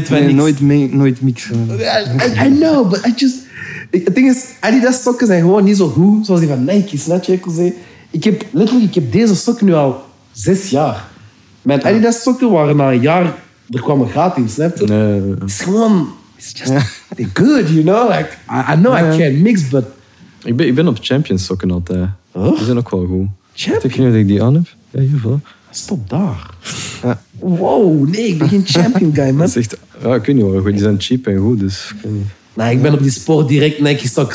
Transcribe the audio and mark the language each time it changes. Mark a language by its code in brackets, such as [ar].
[nl] Nooit mixen. [en] I know, but I just... [nl] Het ding is, Adidas sokken zijn gewoon niet zo goed zoals die van Nike. Snap je? Ik heb deze sokken nu al 6 jaar. Mijn Adidas sokken waren na een jaar, er kwam een gat in, snap je? Nee. Het is gewoon, [en] it's just they're good, you know? Like, I know I can't mix, but... [nl] Ik ben op Champions sokken altijd. Huh? Die zijn ook wel goed. Champions? Ik weet niet of ik die aan heb. Ja, hiervoor. Stop daar. Wow, nee, ik ben geen champion guy, man. Dat is echt, ja, ik weet niet hoor, die zijn cheap en goed, dus... Nee, ik ben op die sport direct Nike stok.